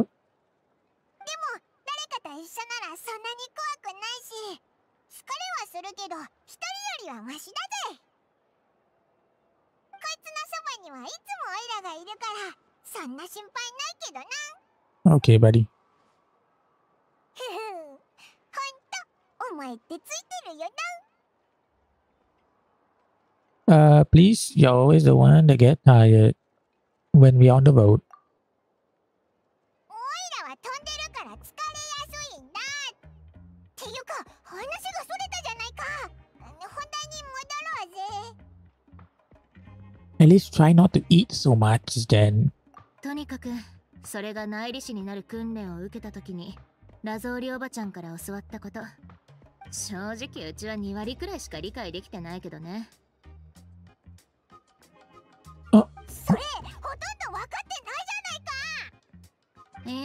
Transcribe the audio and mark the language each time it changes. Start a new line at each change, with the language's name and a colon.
Japanese: でも誰かと一緒ならそんなに怖くないし、疲れはするけど一人よりはマシだぜ。こいつのそばにはいつもオイラがいるからそんな心配ないけどな。
English: オーケーバディ
Japanese: ほんとお前ってついてるよな。
English: Please, you're always the one that get tired when we're on the boat.
Japanese: オイラは飛んでるから疲れやすいんだ。っていうか、話がそれたじゃないか。本題に戻ろうぜ。
English: At least try not to eat so much then.
Japanese: とにかく、それが内理士になる訓練を受けたときに、ラゾーリおばちゃんから教わったこと。正直、うちは2割くらいしか理解できてないけどね。それ、ほとんど分かってないじゃないか。